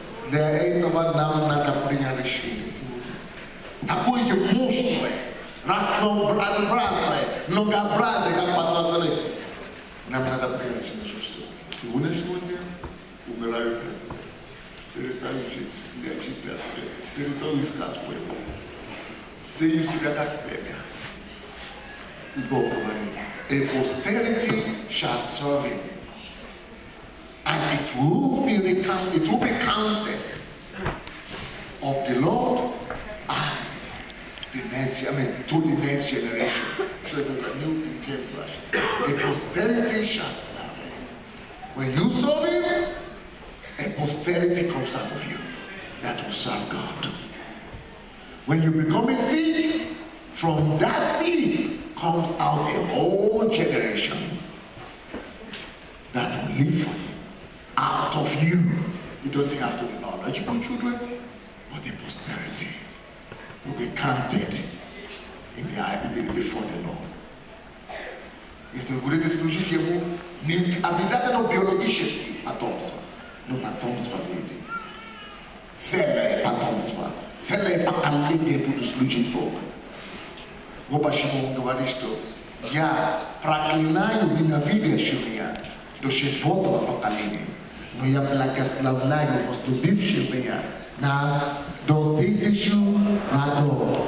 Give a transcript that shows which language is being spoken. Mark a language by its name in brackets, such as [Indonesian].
[Russian] Для этого нам надо принять решение сегодня. Такое же мощное, разнообразное, многообразное, как пастора Салли. Нам надо принять решение, что все. Сегодняшнего дня умираю для себя, перестаю жить для себя, перестаю искать своего, сею себя как семья. И Бог говорит, [English] a posterity shall serve him, and it will be recounted, it will be counted of the Lord as the next, to the next generation. So it is a new King James Version. A posterity shall serve. When you serve him, a posterity comes out of you that will serve God. When you become a seed, from that seed comes out a whole generation that will live for you, out of you. It doesn't have to be biological children, but the posterity will be counted in the eye before the Lord. [Russian] Если вы будете служить ему, не обязательно биологически потомство, но потомство выйдет. Целое потомство, целое поколение будут служить Богу. Вот почему он говорит, что я проклинаю ненавидящего меня до четвертого поколения, но я благословляю возлюбившего меня на до тысячу родов.